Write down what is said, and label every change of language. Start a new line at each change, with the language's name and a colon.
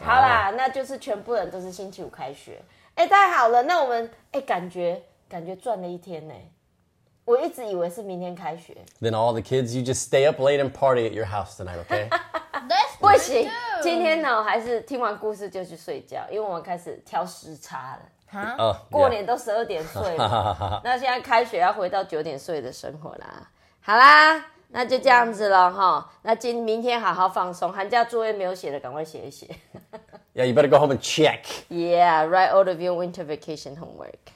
Chinese: 好啦，那就是全部人都是星期五开学。哎，太好了，那我们哎，感觉赚了一天呢。我一直以为是明天开学。
English: Then all the kids, you just stay up late and party at your house tonight, okay?
Chinese: 不行，今天呢还是听完故事就去睡觉，因为我们开始挑时差了。哈，过年都12点睡了，那现在开学要回到9点睡的生活啦。好啦，那就这样子了哈。那明天好好放松，寒假作业没有写的赶快写一写。
English: Yeah, you better go home and check. Yeah, write all of your winter vacation homework.